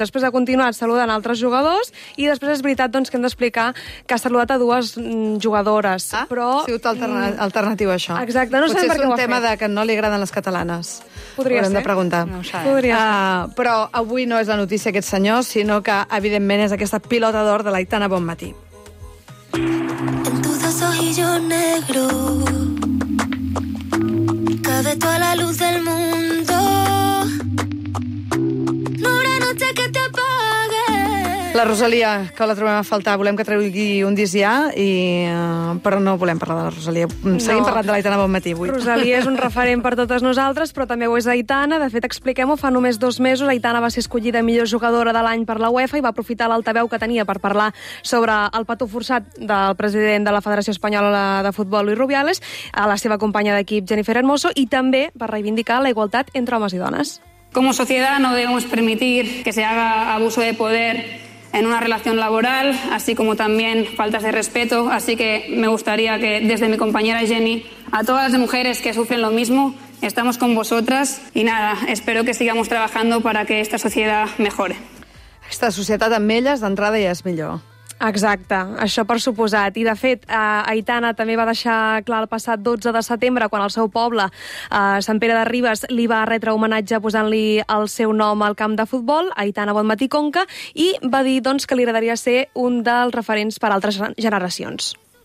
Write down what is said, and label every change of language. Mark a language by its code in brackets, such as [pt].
[ca] Després ha continuat saludant altres jugadors i després és veritat doncs, que hem d'explicar que ha saludat a dues jugadores. Ah, però... ha sigut alternatiu això. Exacte, no potser sabem per què ho ha fet. Potser és un tema de que no li agraden les catalanes. Podria ser. De preguntar. No ho sabem. Però avui no és la notícia aquest senyor, sinó que evidentment és aquesta pilota d'or de l'Aitana Bonmatí. [es] En tu dos ojillo negro cabe toda la luz del mundo. No una noche que te apague. [ca] La Rosalía, que la trobem a faltar. Volem que tregui un disc ja, però no volem parlar de la Rosalía. Seguim no. parlant de l'Aitana Bonmatí avui. Rosalía és un referent per totes nosaltres, però també ho és Aitana. De fet, expliquem-ho, fa només dos mesos Aitana va ser escollida millor jugadora de l'any per la UEFA i va aprofitar l'altaveu que tenia per parlar sobre el pató forçat del president de la Federació Espanyola de Futbol, Luis Rubiales, a la seva companya d'equip, Jennifer Hermoso, i també per reivindicar la igualtat entre homes i dones. [es] Como sociedad no debemos permitir que se haga abuso de poder en una relación laboral, así como también faltas de respeto. Así que me gustaría que, desde mi compañera Jenny, a todas las mujeres que sufren lo mismo, estamos con vosotras. Y nada, espero que sigamos trabajando para que esta sociedad mejore. [ca] Esta societat amb elles, d'entrada, ja és millor. Exacte, això per suposat. I, de fet, Aitana també va deixar clar el passat 12 de setembre quan el seu poble, Sant Pere de Ribes, li va retre homenatge posant-li el seu nom al camp de futbol, Aitana Bonmatí Conca, i va dir doncs, que li agradaria ser un dels referents per altres generacions.